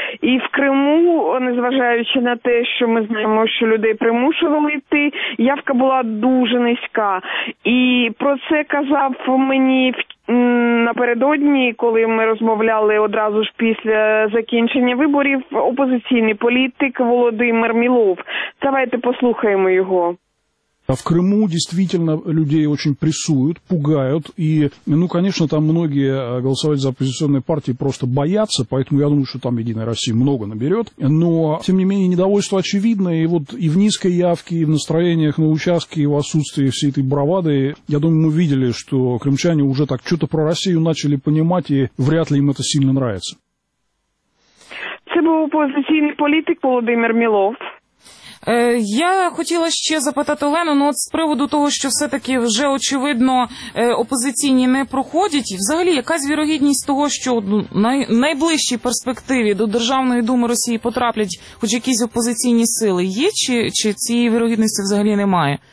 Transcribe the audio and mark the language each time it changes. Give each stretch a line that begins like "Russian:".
Ukrainian: І в Криму, незважаючи на те, що ми знаємо, що людей примушували йти, явка була дуже низька. І про це казав мені напередодні, коли ми розмовляли одразу ж після закінчення виборів, опозиційний політик Володимир Мілов. Давайте послухаємо його.
Russian: А в Крыму действительно людей очень прессуют, пугают, и, ну, конечно, там многие голосовать за оппозиционные партии просто боятся, поэтому я думаю, что там «Единая Россия» много наберет, но, тем не менее, недовольство очевидно, и вот и в низкой явке, и в настроениях на участке, и в отсутствии всей этой бравады, я думаю, мы видели, что крымчане уже так что-то про Россию начали понимать, и вряд ли им это сильно нравится.
Ukrainian: Це був опозиційний політик Володимир Мілов. Я хотіла ще запитати Олену, ну от з приводу того, що все-таки вже очевидно опозиційні не проходять, взагалі якась вірогідність того, що в найближчій перспективі до Державної Думи Росії потраплять хоч якісь опозиційні сили, є чи цієї вірогідності взагалі немає?